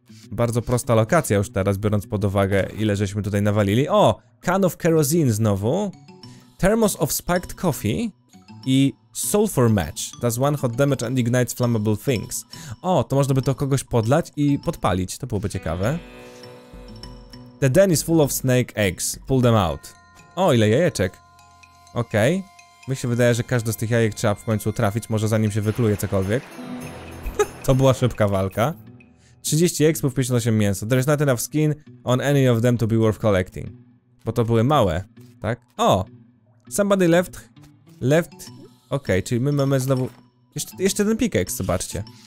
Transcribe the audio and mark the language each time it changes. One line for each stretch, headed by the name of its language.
Polish: Bardzo prosta lokacja już teraz, biorąc pod uwagę, ile żeśmy tutaj nawalili.
English: O! Can of Kerosene znowu. Thermos of Spiked Coffee. I Sulfur Match. Does one hot damage and ignites flammable things. O!
Polish: To można by to kogoś podlać i podpalić. To byłoby ciekawe.
English: The den is full of snake eggs. Pull them out.
Polish: O, ile jajeczek. Okej. Okay. Mi się wydaje, że każdy z tych jajek trzeba w końcu trafić, może zanim się wykluje cokolwiek. To była szybka walka. 30 eggs plus 58 mięso.
English: There is not enough skin on any of them to be worth collecting.
Polish: Bo to były małe, tak? O!
English: Somebody left...
Polish: Okej, okay, czyli my mamy znowu... Jeszcze ten pickaxe, zobaczcie.